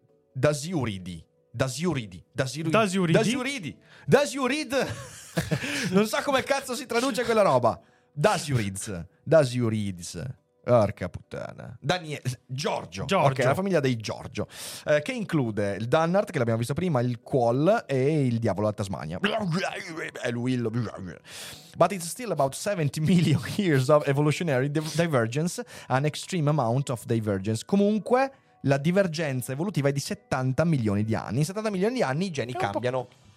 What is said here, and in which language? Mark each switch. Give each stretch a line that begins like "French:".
Italian: Non so come cazzo si traduce quella roba. Dasyurids. Orca puttana. Giorgio. Ok, la famiglia dei Giorgio. Che include il Dunnart, che l'abbiamo visto prima, il Quoll e il diavolo della Tasmania. È lui.
English: But it's still about 70 million years of evolutionary divergence, an extreme amount of divergence.
Italian: Comunque, la divergenza evolutiva è di 70 milioni di anni. In 70 milioni di anni i geni cambiano.